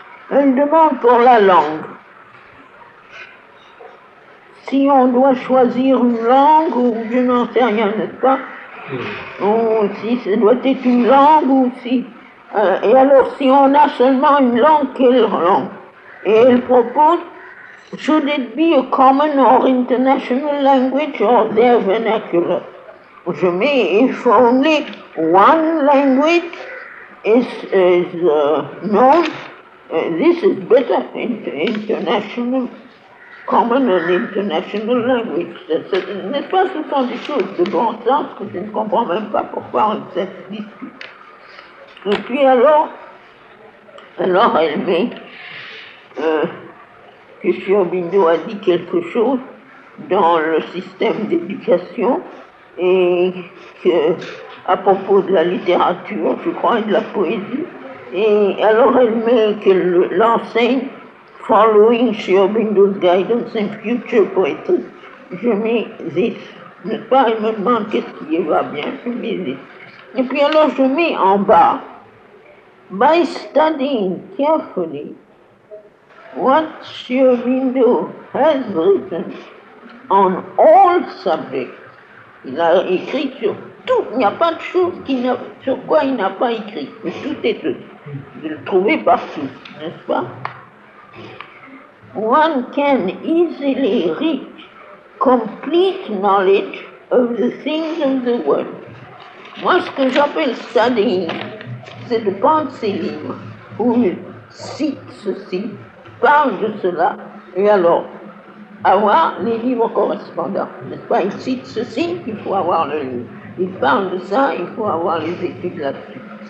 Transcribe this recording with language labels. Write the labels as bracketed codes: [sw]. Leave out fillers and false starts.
[fr] Elle demande pour la langue. Si on doit choisir une langue ou je n'en sais rien, n'est-ce pas? Ou si ça doit être une langue ou si... et alors si on a seulement une langue, quelle langue? Et elle propose, [en] should it be a common or international language or their vernacular? [fr] Je mets, [en] if only one language is known, this is better, international, common and international language. [fr] N'est-ce pas, ce sont des choses de bon sens que je ne comprends même pas pourquoi on se discute. Et puis alors elle met, que M. Urbino a dit quelque chose dans le système d'éducation et que, à propos de la littérature, je crois, et de la poésie. Et alors elle met qu'elle l'enseigne « [en] Following [fr] M. [en] Urbino's guidance in future poetry ». [fr] Je mets [en] « this ». [fr] N'est-ce pas, elle me demande qu'est-ce qui va bien, je mets « this ». Et puis alors je mets en bas « [en] By studying carefully ». What Shirvindo has written on all subjects, [fr] il a écrit sur tout, il n'y a pas de chose sur quoi il n'a pas écrit, mais tout est de le trouver partout, n'est-ce pas? [en] One can easily reach complete knowledge of the things of the world. [fr] Moi, ce que j'appelle studying, c'est de prendre ses livres où il cite ceci, parle de cela, et alors, avoir les livres correspondants. N'est-ce pas? Il cite ceci, il faut avoir le livre. Il parle de ça, il faut avoir les études là-dessus.